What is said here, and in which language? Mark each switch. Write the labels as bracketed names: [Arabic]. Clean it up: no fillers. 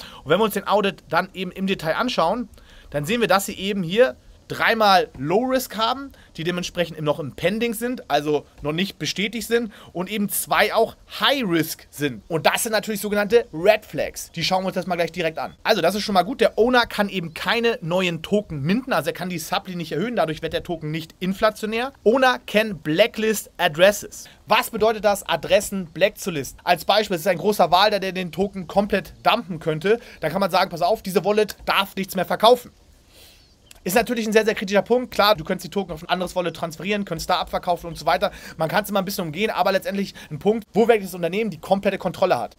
[German] Und wenn wir uns den Audit dann eben im Detail anschauen, dann sehen wir, dass sie eben hier dreimal Low Risk haben, die dementsprechend noch im Pending sind, also noch nicht bestätigt sind und eben zwei auch High Risk sind. Und das sind natürlich sogenannte Red Flags. Die schauen wir uns das mal gleich direkt an. Also das ist schon mal gut. Der Owner kann eben keine neuen Token minten, also er kann die Supply nicht erhöhen, dadurch wird der Token nicht inflationär. [English] Owner can blacklist addresses. [German] Was bedeutet das, Adressen blacklist? Als Beispiel, es ist ein großer Walder, der den Token komplett dumpen könnte. Da kann man sagen, pass auf, diese Wallet darf nichts mehr verkaufen. Ist natürlich ein sehr, sehr kritischer Punkt. Klar, du könntest die Token auf ein anderes Wallet transferieren, könntest da abverkaufen und so weiter. Man kann es immer ein bisschen umgehen, aber letztendlich ein Punkt, wo wirklich das Unternehmen die komplette Kontrolle hat.